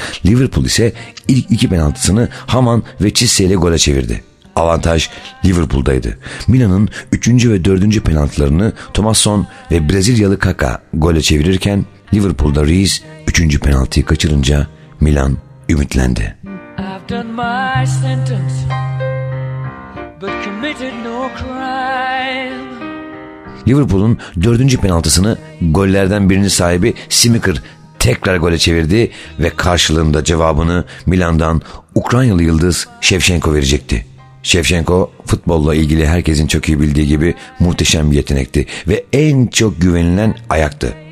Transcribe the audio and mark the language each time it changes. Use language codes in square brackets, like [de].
[tr] Liverpool ise ilk iki penaltısını Haman ve Cisse ile gole çevirdi. Avantaj Liverpool'daydı. Milan'ın üçüncü ve dördüncü penaltılarını Thomasson ve Brezilyalı Kaka gole çevirirken Liverpool'da Reece üçüncü penaltıyı kaçırınca Milan ümitlendi. [en] I've done my sentence, but committed no crime. [tr] Liverpool'un dördüncü penaltısını gollerden birinin sahibi Smicker tekrar gole çevirdi ve karşılığında cevabını Milan'dan Ukraynalı yıldız Shevchenko verecekti. Shevchenko futbolla ilgili herkesin çok iyi bildiği gibi muhteşem bir yetenekti ve en çok güvenilen ayaktı.